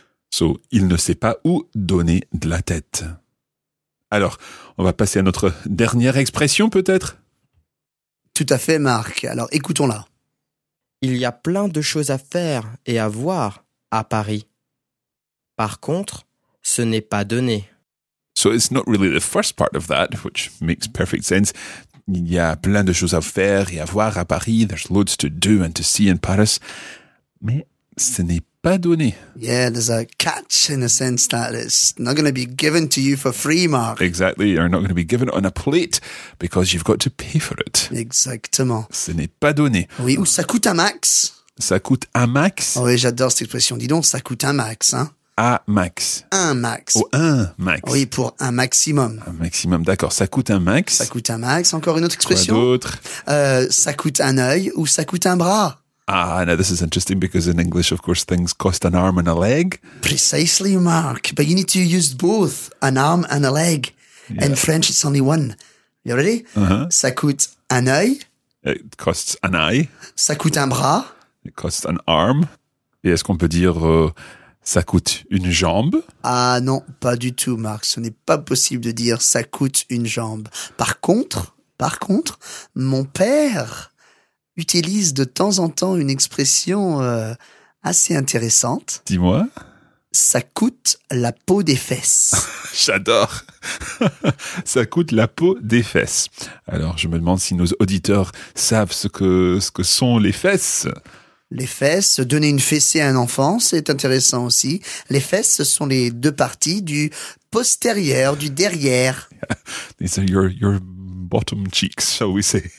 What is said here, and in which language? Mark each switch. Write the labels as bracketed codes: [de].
[fr] So, il ne sait pas où donner de la tête. Alors, on va passer à notre dernière expression, peut-être ? Tout à fait, Marc. Alors, écoutons-la. Il y a plein de choses à faire et à voir à Paris. Par contre, ce n'est pas donné. [en] So, it's not really the first part of that, which makes perfect sense. [fr] Il y a plein de choses à faire et à voir à Paris. [en] There's loads to do and to see in Paris. [fr] Mais ce n'est pas... pas donné. [en] Yeah, there's a catch in a sense that it's not going to be given to you for free, Mark. Exactly, you're not going to be given it on a plate because you've got to pay for it. [fr] Exactement. Ce n'est pas donné. Oui, ou ça coûte un max. Ça coûte un max. Oh, oui, j'adore cette expression. Dis donc, ça coûte un max. Hein? À max. Un max. Ou oh, un max. Oui, pour un maximum. Un maximum, d'accord. Ça coûte un max. Ça coûte un max. Encore une autre expression. Quoi d'autre? Ça coûte un œil ou ça coûte un bras. [en] Ah, now this is interesting because in English, of course, things cost an arm and a leg. Precisely, Mark. But you need to use both, an arm and a leg. Yeah. In French, it's only one. You ready? Uh-huh. [fr] Ça coûte un œil. [en] It costs an eye. [fr] Ça coûte un bras. [en] It costs an arm. [fr] Et est-ce qu'on peut dire ça coûte une jambe? Ah non, pas du tout, Mark. Ce n'est pas possible de dire ça coûte une jambe. Par contre, mon père... utilise de temps en temps une expression assez intéressante. Dis-moi. Ça coûte la peau des fesses. J'adore. Ça coûte la peau des fesses. Alors, je me demande si nos auditeurs savent ce que sont les fesses. Les fesses, donner une fessée à un enfant, c'est intéressant aussi. Les fesses, ce sont les deux parties du postérieur, du derrière. [en] These are your bottom cheeks, shall we say.